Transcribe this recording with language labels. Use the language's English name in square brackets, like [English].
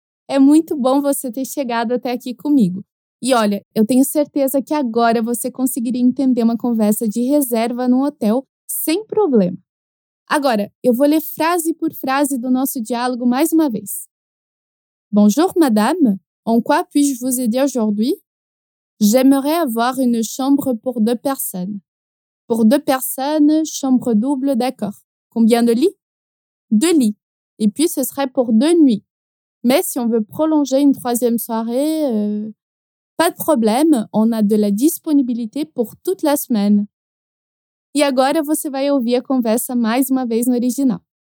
[Portuguese] É muito bom você ter chegado até aqui comigo. E olha, eu tenho certeza que agora você conseguiria entender uma conversa de reserva num hotel sem problema. Agora, eu vou ler frase por frase do nosso diálogo mais uma vez. [French] Bonjour, madame. En quoi puis-je vous aider aujourd'hui? J'aimerais avoir une chambre pour deux personnes. Pour deux personnes, chambre double, d'accord. Combien de lits? Deux lits. Et puis, ce serait pour deux nuits. Mais si on veut prolonger une troisième soirée, pas de problème, on a de la disponibilité pour toute la semaine. [Portuguese] E agora você vai ouvir a conversa mais uma vez no original.